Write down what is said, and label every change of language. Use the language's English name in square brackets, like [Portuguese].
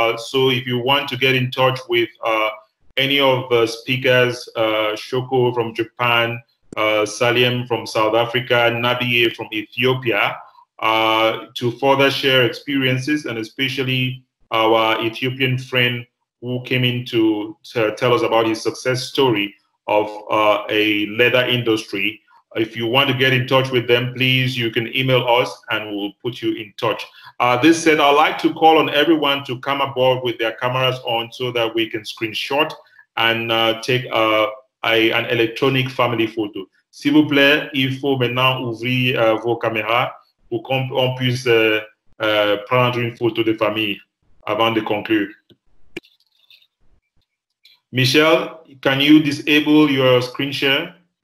[English] So if you want to get in touch with any of the speakers, Shoko from Japan, Salim from South Africa, Nabiye from Ethiopia, to further share experiences, and especially our Ethiopian friend who came in to tell us about his success story of a leather industry. If you want to get in touch with them, please, you can email us and we'll put you in touch. This said, I'd like to call on everyone to come aboard with their cameras on so that we can screenshot and take an electronic family photo. [French] S'il vous plaît, il faut maintenant ouvrir vos caméras pour qu'on puisse prendre une photo de famille avant de conclure. [English] Michelle, can you disable your screen share?